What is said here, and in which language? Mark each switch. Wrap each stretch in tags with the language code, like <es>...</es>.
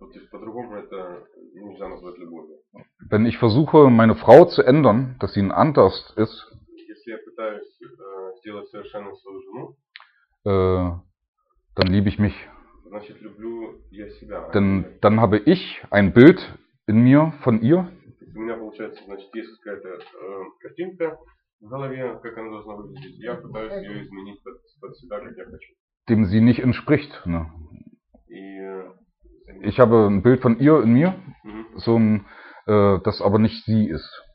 <ru>По-другому это нельзя назвать любовью.</ru> <de>Wenn ich versuche, meine Frau zu ändern, dass sie ein anders ist,</de> <ru>если я пытаюсь сделать совершенно свою жену,</ru> <de>dann liebe ich mich.</de> <ru>Значит, люблю я себя.</ru> <de>Dann habe ich ein Bild in mir von ihr.</de> <ru>У меня получается, значит, есть какая-то картинка в голове, как она должна выглядеть. Я пытаюсь ее изменить под себя, как я хочу.</ru> <de>Dem sie nicht entspricht. Ne?</de> <ru>И,</ru> <de>ich habe ein Bild von ihr in mir, so ein, das aber nicht sie ist.</de>